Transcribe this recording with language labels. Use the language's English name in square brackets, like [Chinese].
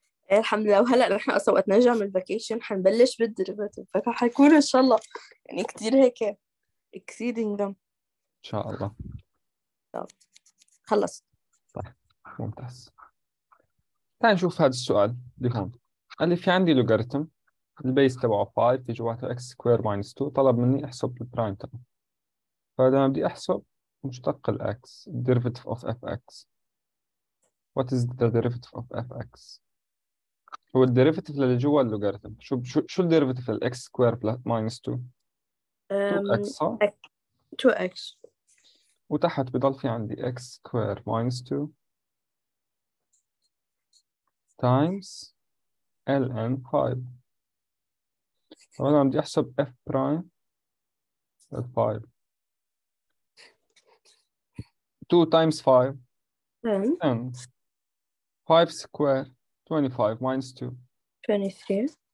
[Arabic] ايه الحمد لله وهلا نحن اصلا وقت نرجع من الفاكيشن حنبلش بالدريفاتيف فحيكون ان شاء الله يعني كثير هيك اكسيدنج دم إن شاء الله. طب خلص ممتاز. تعال نشوف هذا السؤال اللي هون. قال لي في عندي لوغاريتم البيس تبعه 5 في جواته x سكوير ماينس 2، طلب مني احسب البرايم تبعه. فلما بدي احسب مشتق ال x derivative of fx، what is the derivative of fx؟ هو ال derivative اللي جوا اللوغاريتم. شو ال derivative ال x سكوير ماينس 2؟ 2x صح؟ 2x [English] وتحت بضل في عندي x square minus 2 times ln 5. [Arabic] طب انا بدي احسب f prime ال 5، [English] 2 times 5 10 10 5 square 25 minus 2 23